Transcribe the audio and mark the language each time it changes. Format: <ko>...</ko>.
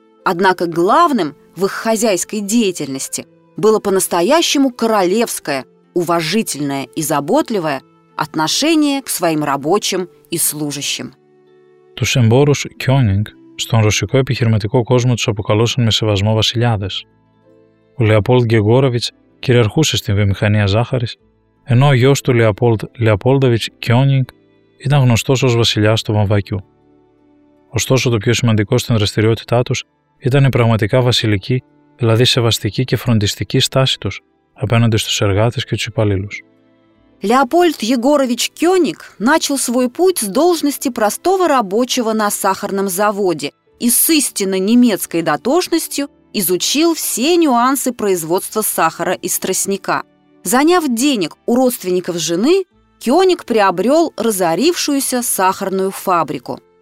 <ru>Однако главным в их хозяйской деятельности было по-настоящему королевское, уважительное и заботливое отношение к своим рабочим и служащим.</ru> <el>Тушемборус Кёниг στον ρωσικό επιχειρηματικό κόσμο τους αποκαλούσαν με σεβασμό βασιλιάδες. Ο Λεοπόλντ Γεγόροβιτς κυριαρχούσε στην βιομηχανία ζάχαρης, ενώ ο γιος του Λεοπόλντ Λεοπόλντοβιτς Κιόνινγκ ήταν γνωστός ως βασιλιάς του Βαμβακιού. Ωστόσο, το πιο σημαντικό στην δραστηριότητά τους ήταν η πραγματικά βασιλική, δηλαδή σεβαστική και φροντιστική στάση τους απέναντι στους εργάτες και τους υπαλλήλους.</el> <ru>Леопольд Егорович Кёниг начал свой путь с должности простого рабочего на сахарном заводе и с истинно немецкой дотошностью изучил все нюансы производства сахара из тростника. Заняв денег у родственников жены, Кёниг приобрел разорившуюся сахарную фабрику.</ru>